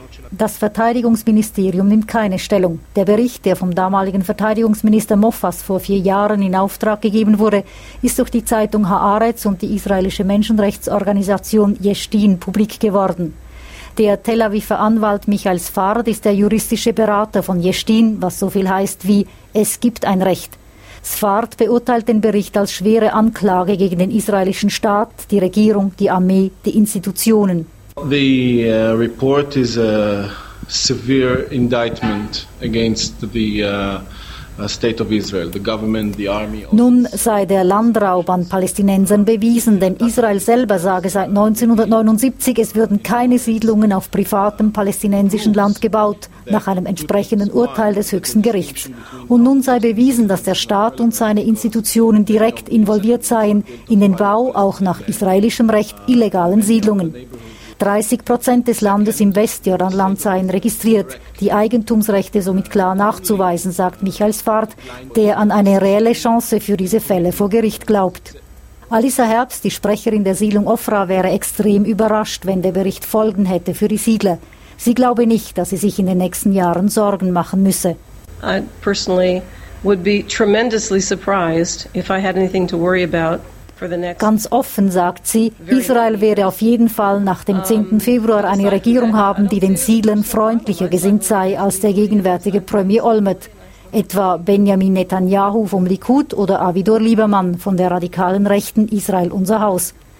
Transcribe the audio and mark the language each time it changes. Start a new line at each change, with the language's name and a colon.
German: Das Verteidigungsministerium nimmt keine Stellung. Der Bericht, der vom damaligen Verteidigungsminister Mofas vor 4 Jahren in Auftrag gegeben wurde, ist durch die Zeitung Haaretz und die israelische Menschenrechtsorganisation Yeshdin publik geworden. Der Tel Aviver Anwalt Michael Sfard ist der juristische Berater von Yeshdin, was so viel heißt wie: Es gibt ein Recht. Sfard beurteilt den Bericht als schwere Anklage gegen den israelischen Staat, die Regierung, die Armee, die Institutionen.
English: The report is a severe indictment against the State of Israel, the government, the army.
German: Nun sei der Landraub an Palästinensern bewiesen, denn Israel selber sage seit 1979, es würden keine Siedlungen auf privatem palästinensischen Land gebaut, nach einem entsprechenden Urteil des höchsten Gerichts. Und nun sei bewiesen, dass der Staat und seine Institutionen direkt involviert seien in den Bau auch nach israelischem Recht illegalen Siedlungen. 30% des Landes im Westjordanland seien registriert, die Eigentumsrechte somit klar nachzuweisen, sagt Michael Sfard, der an eine reelle Chance für diese Fälle vor Gericht glaubt. Alissa Herbst, die Sprecherin der Siedlung Ofra, wäre extrem überrascht, wenn der Bericht Folgen hätte für die Siedler. Sie glaube nicht, dass sie sich in den nächsten Jahren Sorgen machen müsse.
English: I personally would be tremendously surprised if I had anything to worry about.
German: Ganz offen sagt sie, Israel werde auf jeden Fall nach dem 10. Februar eine Regierung haben, die den Siedlern freundlicher gesinnt sei als der gegenwärtige Premier Olmert, etwa Benjamin Netanyahu vom Likud oder Avigdor Lieberman von der radikalen Rechten Israel unser Haus.